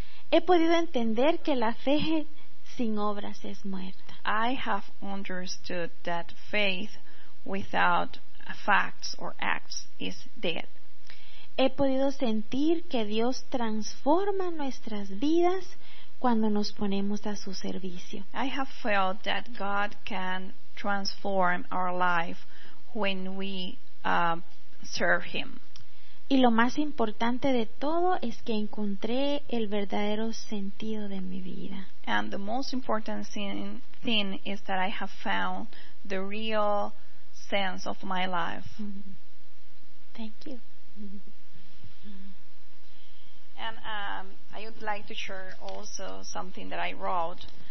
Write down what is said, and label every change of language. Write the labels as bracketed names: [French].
[Spanish] He podido entender que la fe sin obras es muerta. [English] I have understood that faith without facts or acts is dead. [Spanish] He podido sentir que Dios transforma nuestras vidas cuando nos ponemos a su servicio. [English] I have felt that God can transform our life when we serve Him. [Spanish] Y lo más importante de todo es que encontré el verdadero sentido de mi vida. [English] And the most important thing is that I have found the real sense of my life. Thank you. And I would like to share also something that I wrote.